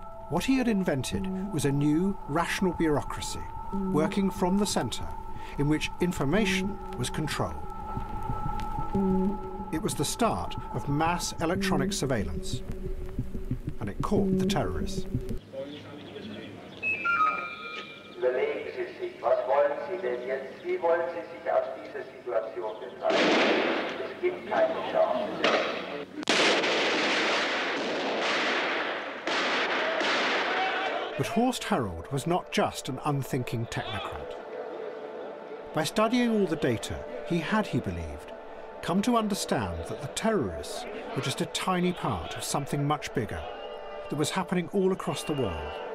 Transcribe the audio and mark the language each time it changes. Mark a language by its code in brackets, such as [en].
[en] What he had invented was a new rational bureaucracy working from the center in which information was control. It was the start of mass electronic surveillance. And it caught the terrorists. [de] Überlegen Sie sich, was wollen Sie denn jetzt? Wie wollen Sie sich aus dieser Situation befreien? Es gibt keine Chance. [en] But Horst Herold was not just an unthinking technocrat. By studying all the data, he believed, come to understand that the terrorists were just a tiny part of something much bigger that was happening all across the world.